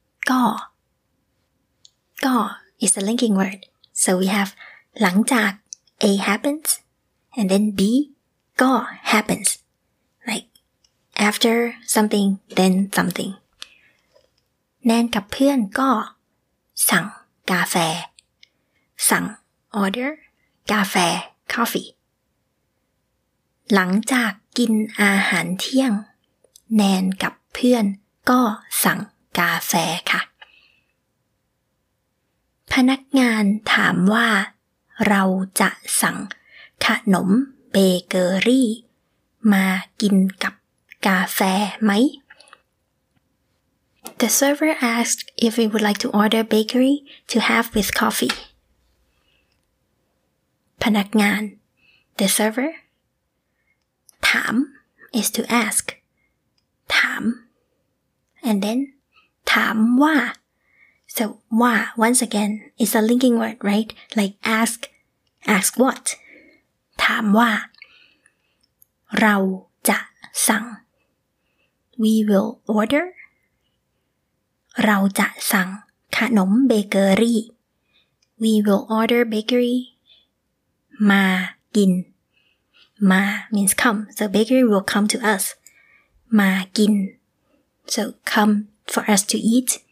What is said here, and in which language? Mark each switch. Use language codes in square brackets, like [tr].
[en] ก็ is the linking word. So we have หลังจาก A happens, and then B, ก็ happens. Like after something, then something. [th] แนนกับเพื่อนก็สั่งกาแฟสั่ง [en] order [th] กาแฟ [en] coffee [th] หลังจากกินอาหารเที่ยงแนนกับเพื่อนก็สั่งกาแฟค่ะ พนักงานถามว่าเราจะสั่งขนมเบเกอรี่มากินกับกาแฟไหม [en] The server asked if we would like to order bakery to have with coffee. พนักงาน The server. ถาม is to ask. ถาม And then, ถามว่า So, ว่า, once again, is a linking word, right? Like ask, ask what? [th] ถามว่า เราจะสั่ง [en] We will order. [th] เราจะสั่งขนมเบเกอรี่ [en] We will order bakery [th] มากินมา [en] means come so bakery will come to us [th] มากิน [en] so come for us to eat